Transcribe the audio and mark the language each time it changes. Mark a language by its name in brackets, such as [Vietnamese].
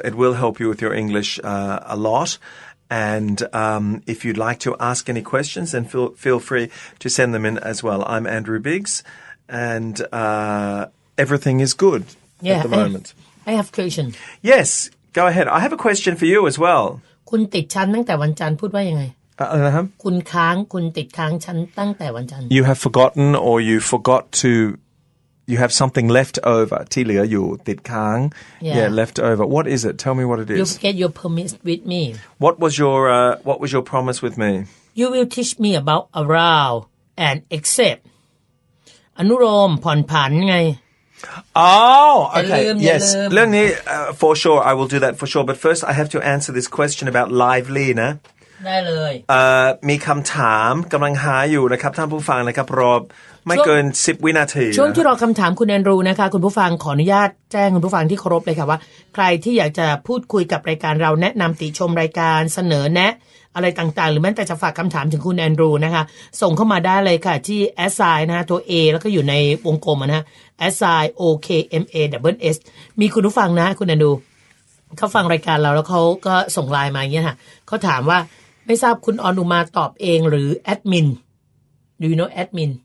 [English] It will help you with your English a lot. And if you'd like to ask any questions, then feel free to send them in as well. I'm Andrew Biggs, and everything is good at the moment. I have a question. Yes, go ahead. I have a question for you as well. [Thai] คุณติดฉันตั้งแต่วันจันทร์พูดว่ายังไง คุณค้างคุณติดค้างฉันตั้งแต่วันจันทร์ [English] You have forgotten or you forgot to you have something left over [Thai] ที่เหลืออยู่ติดค้าง [English] yeah left over What is it Tell me what it is You forget your promise with me What was your promise with me You will teach me about around and except [Thai] อนุโลมผ่อนผันไง [English] Oh, okay, yes. Leonie, for sure, I will do that for sure. But first, I have to answer this question about lively, nah? [Thai] ได้เลย มีคำถามกำลังหาอยู่นะครับท่านผู้ฟังนะครับรอไม่เกิน10วินาที ช่วงที่รอคำถามคุณแอนดรูนะคะคุณผู้ฟังขออนุญาตแจ้งคุณผู้ฟังที่เคารพเลยค่ะว่าใครที่อยากจะพูดคุยกับรายการเราแนะนำติชมรายการเสนอแนะอะไรต่างๆหรือแม้แต่จะฝากคำถามถึงคุณแอนดรูนะคะส่งเข้ามาได้เลยค่ะที่ @sign นะคะตัว A แล้วก็อยู่ในวงกลมนะฮะ @sign okma s มีคุณผู้ฟังนะคุณแอนดรูเขาฟังรายการเราแล้วเขาก็ส่งไลน์มาอย่างเงี้ยค่ะเขาถามว่าไม่ทราบคุณออนุมาตอบเองหรือแอดมินดูโน่แอดมิน